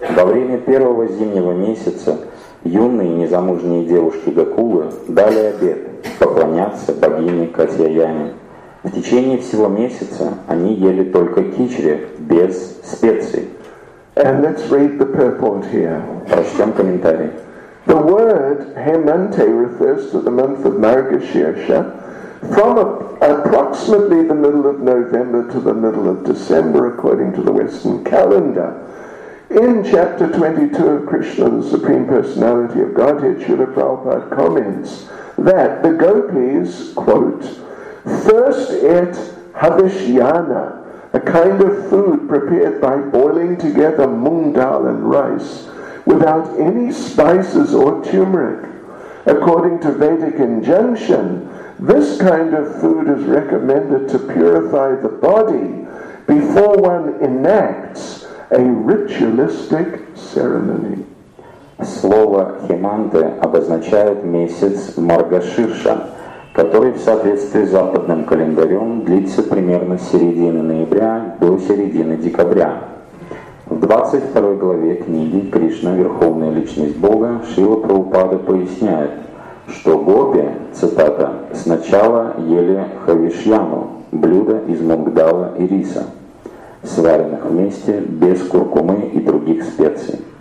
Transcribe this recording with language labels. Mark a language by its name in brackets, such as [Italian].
[Russian] Во время первого зимнего месяца юные незамужние девушки Гакулы дали обет поклоняться богине Катьяяне. В течение всего месяца они ели только кичри без специй. [English] And let's read the purport here. [Russian] Прочтем комментарий. [English] The word Hemante refers to the month of Margashirsha from approximately the middle of November to the middle of December, according to the Western calendar. In chapter 22 of Krishna, the Supreme Personality of Godhead, Srila Prabhupada comments that the gopis, quote, first ate Havishyana, a kind of food prepared by boiling together mung dal and rice without any spices or turmeric. According to Vedic injunction, this kind of food is recommended to purify the body before one enacts a ritualistic ceremony. [Russian] Слово Хеманте обозначает месяц Маргаширша, который в соответствии с западным календарем длится примерно с середины ноября до середины декабря. В 22 главе книги «Кришна. Верховная Личность Бога» Шрила Прабхупада поясняет, что гопи, цитата, «сначала ели хавишьяну, блюдо из мунгдала и риса, сваренных вместе без куркумы и других специй.